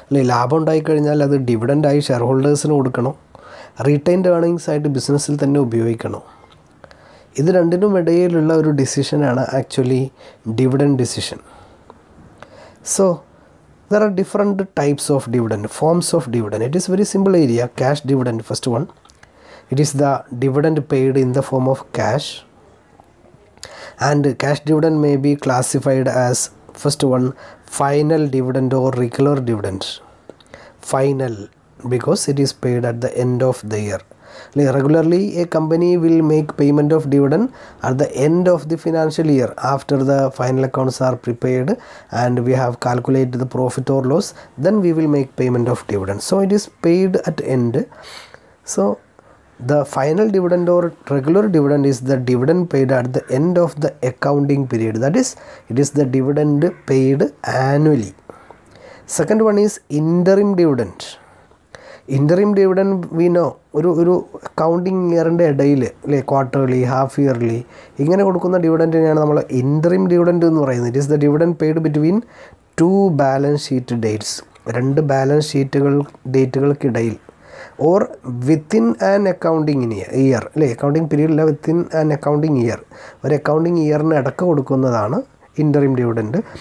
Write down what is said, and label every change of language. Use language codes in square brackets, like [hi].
[ml] ലാഭം ഉണ്ടായി കഴിഞ്ഞാൽ അത് ഡിവിഡൻഡായി ഷെയർഹോൾഡേഴ്സിന് കൊടുക്കണോ, റീറ്റൈൻഡ് ഏർണിങ്സ് ആയിട്ട് ബിസിനസ്സിൽ തന്നെ ഉപയോഗിക്കണോ? ഇത് രണ്ടിനും ഇടയിലുള്ള ഒരു ഡിസിഷനാണ് actually dividend decision. [en] So there are different types of dividend, forms of dividend. It is very simple area. Cash dividend, first one. It is the dividend paid in the form of cash. And cash dividend may be classified as, first one, final dividend or regular dividend. Final, because it is paid at the end of the year. Regularly, a company will make payment of dividend at the end of the financial year after the final accounts are prepared and we have calculated the profit or loss, then we will make payment of dividend. So it is paid at end. So the final dividend or regular dividend is the dividend paid at the end of the accounting period. That is, it is the dividend paid annually. Second one is interim dividend. [ml] Interim dividend വീനോ ഒരു ഒരു accounting ഇയറിൻ്റെ ഇടയിൽ അല്ലേ, quarterly half yearly ഇങ്ങനെ കൊടുക്കുന്ന ഡിവിഡൻറ്റിനെയാണ് നമ്മൾ interim dividend എന്ന് പറയുന്നത്. [en] it is the dividend paid between two balance sheet dates, [ml] രണ്ട് ബാലൻസ് ഷീറ്റുകൾ ഡേറ്റുകൾക്കിടയിൽ, [en] or within an accounting year [ml] അല്ലേ, accounting പീരീഡില്ല, [en] within an accounting year, [ml] ഒരു അക്കൗണ്ടിങ് ഇയറിന് ഇടക്ക് കൊടുക്കുന്നതാണ് ഇൻ്ററിം ഡിവിഡൻഡ്.